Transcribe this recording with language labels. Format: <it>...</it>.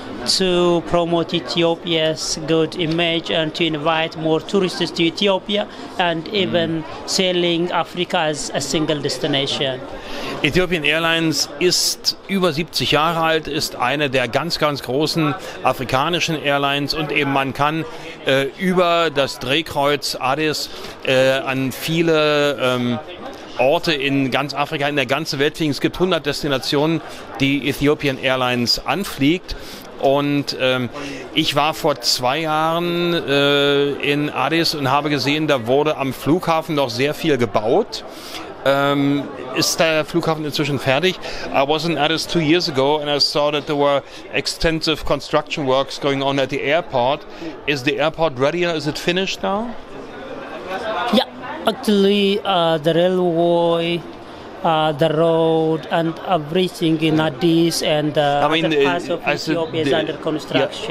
<en>to promote Ethiopia's good image and to invite more tourists to Ethiopia and even sailing Africa as a single destination.</en> <de>Ethiopian Airlines ist über 70 Jahre alt, ist eine der ganz, ganz großen afrikanischen Airlines und eben man kann über das Drehkreuz Addis an viele Orte in ganz Afrika, in der ganzen Welt fliegen. Es gibt 100 Destinationen, die Ethiopian Airlines anfliegt. Und ich war vor 2 Jahren in Addis und habe gesehen, da wurde am Flughafen noch sehr viel gebaut. Ist der Flughafen inzwischen fertig?</de> <en>I was in Addis 2 years ago and I saw that there were extensive construction works going on at the airport. Is the airport ready or is it finished now? Yeah, actually the railway, the road and everything in Addis and the parts of Ethiopia is under construction.</en>